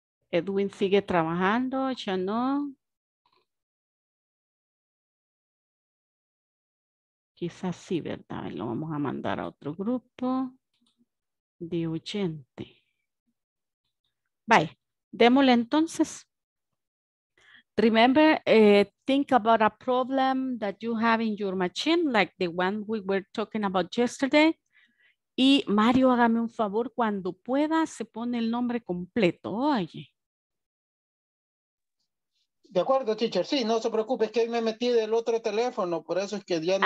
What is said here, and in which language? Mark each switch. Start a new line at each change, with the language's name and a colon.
Spanish: Edwin sigue trabajando, ya no. Quizás sí, ¿verdad? Lo vamos a mandar a otro grupo de oyente. Vaya, démosle entonces.
English: Remember, think about a problem that you have in your machine, like the one we were talking about yesterday.
Spanish: Y Mario, hágame un favor, cuando pueda, se pone el nombre completo, oye. De acuerdo, teacher, sí, no se preocupe, es que me metí del otro teléfono, por eso es que ya no.